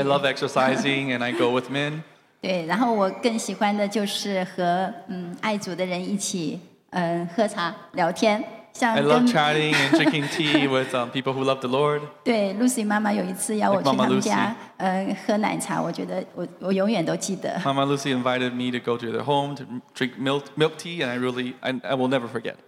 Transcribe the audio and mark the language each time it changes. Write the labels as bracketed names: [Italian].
[English] I love exercising, and I go with men. [Chinese] 对，然后我更喜欢的就是和爱主的人一起喝茶聊天。 [English] I love chatting and drinking tea with people who love the Lord. [Chinese] 对 ，Lucy 妈妈有一次邀我去她们家，喝奶茶，我觉得我永远都记得。 [English] Mama Lucy invited me to go to their home to drink milk tea, and I will never forget.